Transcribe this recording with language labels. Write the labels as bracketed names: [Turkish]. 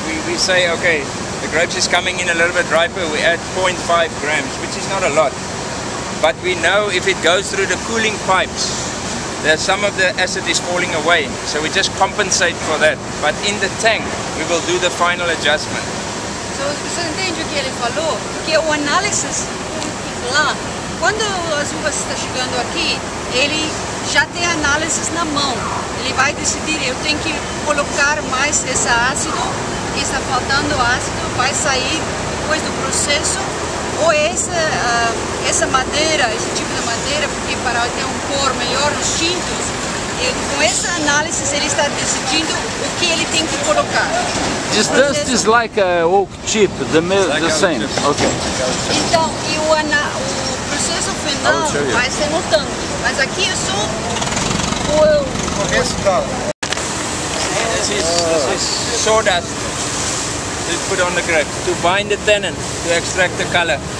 [English] We say, okay, the grapes is coming in a little bit riper, we add 0.5 grams, which is not a lot. But we know if it goes through the cooling pipes, that some of the acid is falling away. So we just compensate for that. But in the tank, we will do the final adjustment. [Portuguese] So, você entende o que ele falou? Porque o analysis lá, quando as uvas estão chegando aqui, ele já tem a análise na mão. Ele vai decidir, eu tenho que colocar mais esse ácido, que está faltando ácido, vai sair depois do processo, ou essa madeira, esse tipo de madeira, porque para ter um cor melhor nos tintos, com essa análise ele está decidindo o que ele tem que colocar. [English] This dust is like a oak chip, the same. Okay. [Portuguese] Então, e o processo final vai ser no tanque. Mas aqui eu sou [English] This is sawdust to put on the grape to bind the tannin to extract the color.